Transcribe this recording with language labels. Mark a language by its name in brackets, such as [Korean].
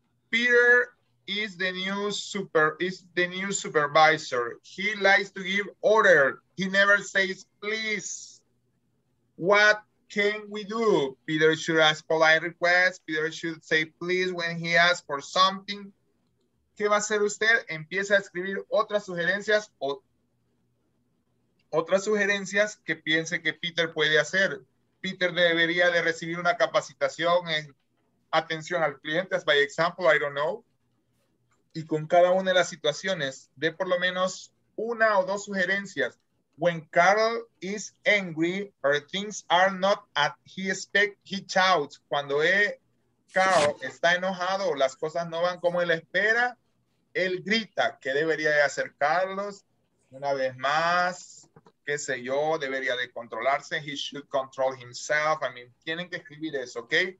[English] Peter is the new supervisor. He likes to give order. He never says, please. What can we do? Peter should ask polite requests. Peter should say, please, when he asks for something. [Spanish] ¿Qué va a hacer usted? Empieza a escribir otras sugerencias o otras sugerencias que piense que Peter puede hacer. Peter debería de recibir una capacitación en atención al cliente, [English] as by example, I don't know. [Spanish] Y con cada una de las situaciones, dé por lo menos una o dos sugerencias. [English] When Carl is angry or things are not as he expect, he shouts. [Spanish] Cuando Carl está enojado o las cosas no van como él espera, él grita. ¿Qué debería de hacer Carlos? Una vez más, qué sé yo, debería de controlarse. [English] He should control himself. I mean, [Spanish] tienen que escribir eso, ¿ok?